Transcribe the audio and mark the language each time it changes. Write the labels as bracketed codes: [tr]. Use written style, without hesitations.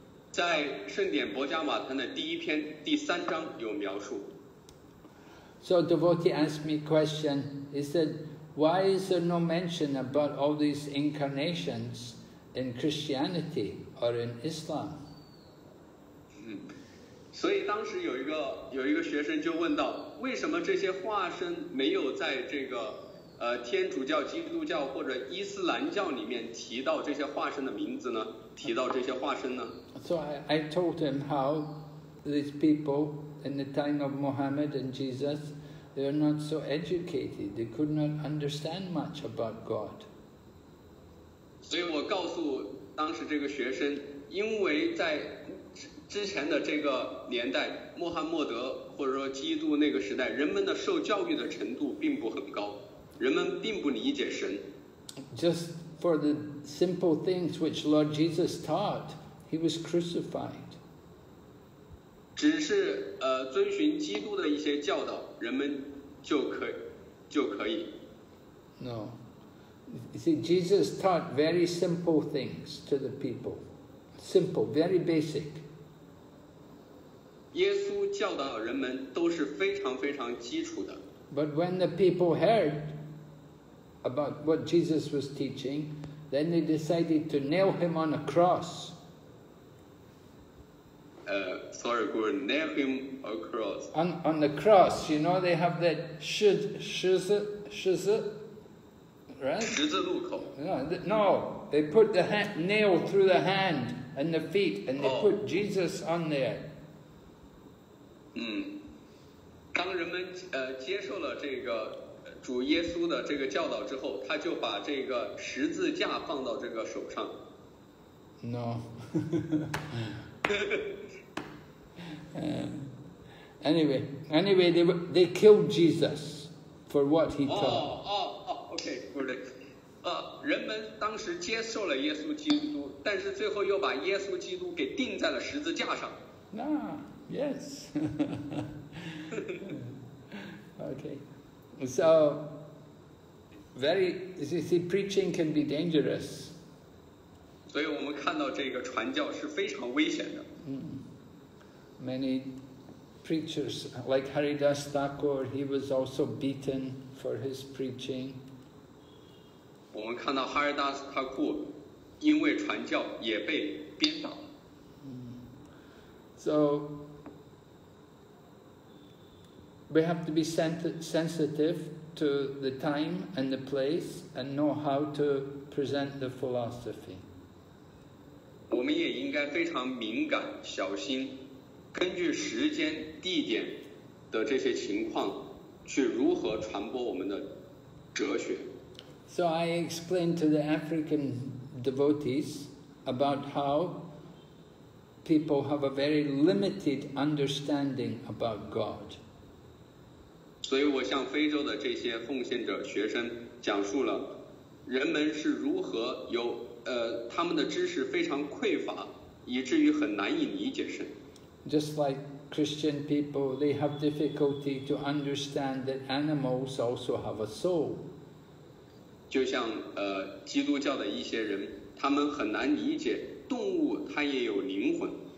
[zh] 在圣典薄伽马坛的第一篇第三章有描述。 [en] So devotee asked me a question. He said, why is there no mention about all these incarnations in Christianity or in Islam? [zh] 所以当时有一个学生就问到，为什么这些化身没有在这个天主教、基督教或者伊斯兰教里面提到这些化身的名字呢？提到这些化身呢？ [en] So I told him how these people in the time of Muhammad and Jesus, they are not so educated. They could not understand much about God. [zh] 所以我告诉当时这个学生，因为在之前的这个年代，穆罕默德或者说基督那个时代，人们的受教育的程度并不很高。人们并不理解神。 [en] Just for the simple things which Lord Jesus taught, he was crucified. [zh] 只是遵循基督的一些教导，人们就可以。 [en] No. You see, Jesus taught very simple things to the people. Simple, very basic. [zh] 耶稣教导人们都是非常非常基础的。 [en] But when the people heard,about what Jesus was teaching, then they decided to nail him on a cross. Nail him on a cross. On the cross, you know, they have that shizu, right? [zh] 十字路口. [en] No, they put the nail through the hand and the feet, and they put Jesus on there. [zh] 当人们接受了这个主耶稣的这个教导之后，他就把这个十字架放到这个手上。 [en] No. anyway, they killed Jesus for what he taught. Okay, good. [zh] 人们当时接受了耶稣基督，但是最后又把耶稣基督给钉在了十字架上。 [en] Yes. okay. So, you see, preaching can be dangerous. [zh] 所以我们看到这个传教是非常危险的。 [en] Many preachers, like Haridas Thakur, he was also beaten for his preaching. [zh] 我们看到哈尔达斯塔库因为传教也被鞭打。 [en] So,we have to be sensitive to the time and the place and know how to present the philosophy. [zh] 我们也应该非常敏感小心根据时间地点的这些情况去如何传播我们的哲学。 [en] So I explained to the African devotees about how people have a very limited understanding about God. [zh] 所以我向非洲的这些奉献者学生讲述了人们是如何有他们的知识非常匮乏以至于很难以理解神。 [en] Just like Christian people, they have difficulty to understand that animals also have a soul. [zh] 就像基督教的一些人他们很难理解动物它也有灵魂。